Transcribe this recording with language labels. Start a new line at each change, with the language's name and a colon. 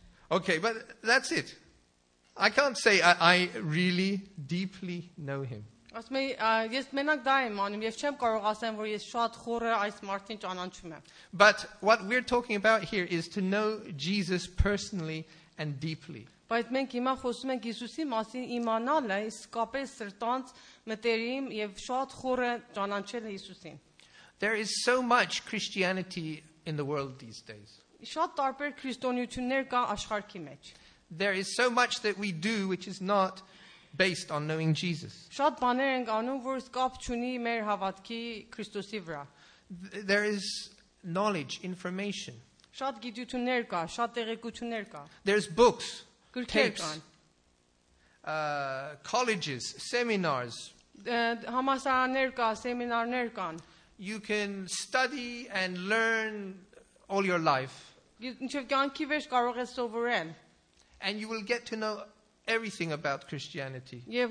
English: Okay, but that's it. I can't say I really deeply know him. But what we're talking about here is to know Jesus personally and deeply.
Armenian: Բայց մենք հիմա խոսում ենք Հիսուսի մասին իմանալը, իսկապես սրտանց մտերիմ եւ շատ խորը ճանաչել Հիսուսին։
English: There is so much Christianity in the world these days.
Armenian: Շատ տարբեր քրիստոնյություններ կա աշխարհի մեջ։
English: There is so much that we do which is not based on knowing Jesus.
Armenian: Շատ բաներ ենք անում, որ սկապ չունի մեր հավատքի Քրիստոսի վրա։
English: There is knowledge, information.
Armenian: Շատ գիտություններ կա, շատ տեղեկություններ կա։
English: There's books. Colleges, seminars.
Armenian: Համասարաներ կա, սեմինարներ կան.
English: You can study and learn all your life. And you will get to know everything about Christianity.